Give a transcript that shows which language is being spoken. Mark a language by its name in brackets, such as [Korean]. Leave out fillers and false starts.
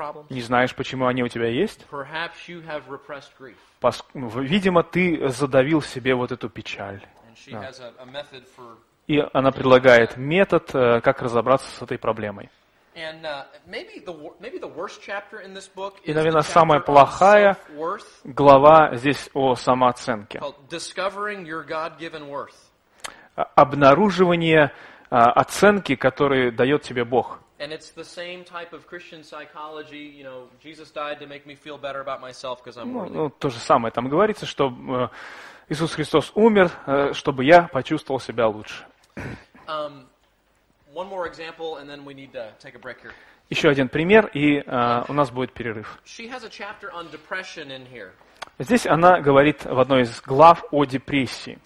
[Russian] Не знаешь, почему они у тебя есть? Видимо, ты задавил себе вот эту печаль. Да. И она предлагает метод, как разобраться с этой проблемой. [English] And maybe the worst chapter in this book is. [Russian] И, наверное, самая плохая глава здесь о самооценке. [English] Discovering your God-given worth. [Russian] Обнаруживание оценки, которую дает тебе Бог. [English] And it's the same type of Christian psychology, you know, Jesus died to make me feel better about myself because I'm worthy. [Russian] Ну, то же самое там говорится, что Иисус Христос умер, чтобы я почувствовал себя лучше. [English] One more example, and then we need to take a break here. [Russian] Еще один пример, и у нас будет перерыв. [English] She has a chapter on depression in here. [Russian] Здесь она говорит в одной из глав о депрессии.